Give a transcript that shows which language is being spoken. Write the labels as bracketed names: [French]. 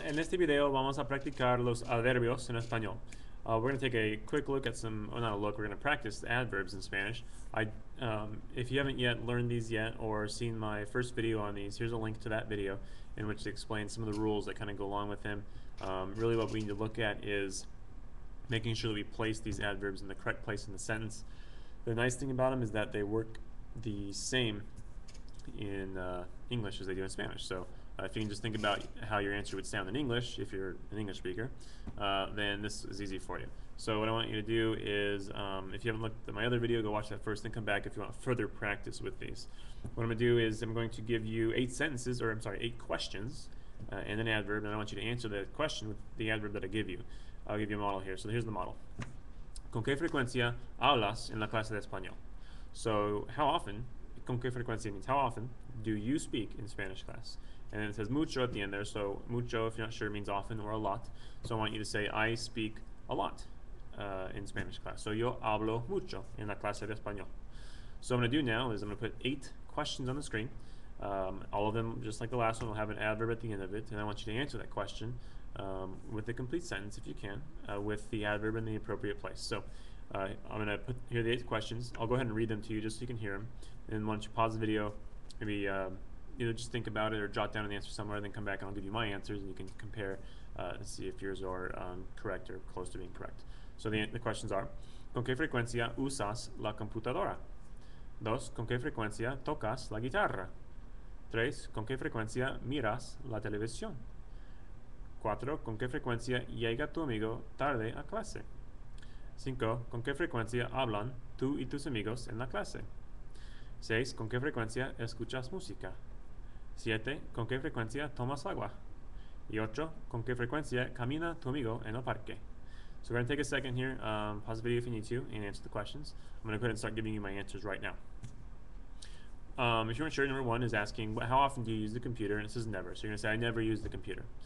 [Spanish] En este video vamos a practicar los adverbios en español. [English] We're going to take a quick look at some, well, not a look, we're going to practice the adverbs in Spanish. If you haven't yet learned these yet or seen my first video on these, here's a link to that video in which it explains some of the rules that kind of go along with them. Really what we need to look at is making sure that we place these adverbs in the correct place in the sentence. The nice thing about them is that they work the same in English as they do in Spanish. So if you can just think about how your answer would sound in English, if you're an English speaker, then this is easy for you. So what I want you to do is, if you haven't looked at my other video, go watch that first, then come back if you want further practice with these. What I'm going to do is I'm going to give you eight sentences, or I'm sorry, eight questions, and an adverb, and I want you to answer the question with the adverb that I give you. I'll give you a model here. So here's the model. [Spanish] ¿Con qué frecuencia hablas en la clase de español? [English] So how often, [Spanish] con qué frecuencia [English] means how often, do you speak in Spanish class? And then it says mucho at the end there, so mucho, if you're not sure, means often or a lot. So I want you to say, I speak a lot in Spanish class. So [Spanish] yo hablo mucho en la clase de español. [English] So what I'm going to do now is I'm going to put eight questions on the screen. All of them, just like the last one, will have an adverb at the end of it. And I want you to answer that question with a complete sentence, if you can, with the adverb in the appropriate place. So I'm going to put here the eight questions. I'll go ahead and read them to you just so you can hear them. And once you pause the video, maybe either just think about it or jot down an answer somewhere, then come back and I'll give you my answers and you can compare and see if yours are correct or close to being correct. So the questions are, [Spanish] ¿con qué frecuencia usas la computadora? Dos, ¿con qué frecuencia tocas la guitarra? Tres, ¿con qué frecuencia miras la televisión? Cuatro, ¿con qué frecuencia llega tu amigo tarde a clase? Cinco, ¿con qué frecuencia hablan tú y tus amigos en la clase? Seis, ¿con qué frecuencia escuchas música? 7. ¿Con qué frecuencia tomas agua? Y 8. ¿Con qué frecuencia camina tu amigo en el parque? [English] So we're going to take a second here, pause the video if you need to, and answer the questions. I'm going to go ahead and start giving you my answers right now. If you're unsure, number 1 is asking, how often do you use the computer? And it says never. So you're going to say, I never use the computer.